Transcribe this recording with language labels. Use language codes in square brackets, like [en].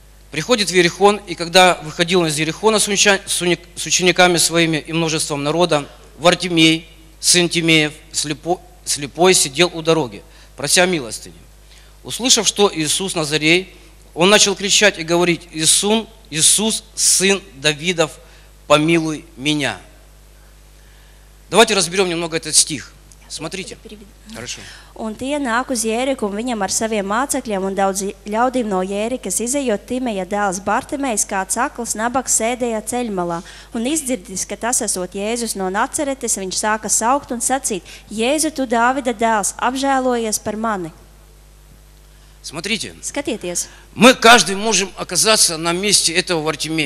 [ru] Приходит в Иерихон, и когда выходил он из Иерихона с учениками своими и множеством народа, Вартимей, сын Тимеев, слепой, сидел у дороги, прося милостыни. Услышав, что Иисус Назарей, он начал кричать и говорить: «Иисус, Иисус, сын Давидов, помилуй меня». Давайте разберем немного этот стих. Смотрите. Хорошо. [lv] Un tie nāk uz Jēriku, un viņam ar saviem mācekļiem un daudz ļaudīm no Jērikas izejot Timeja dēls Bartimejs, kāds akls nabaks sēdēja ceļmalā, un izdzirdis, ka tas esot Jēzus no Naceretes, viņš sāka saukt un sacīt: Jēzu, tu Dāvida dēls, apžēlojies par mani. [ru] Смотрите. [lv] Skatieties. [ru] Мы каждый можем оказаться на месте этого Вартимея.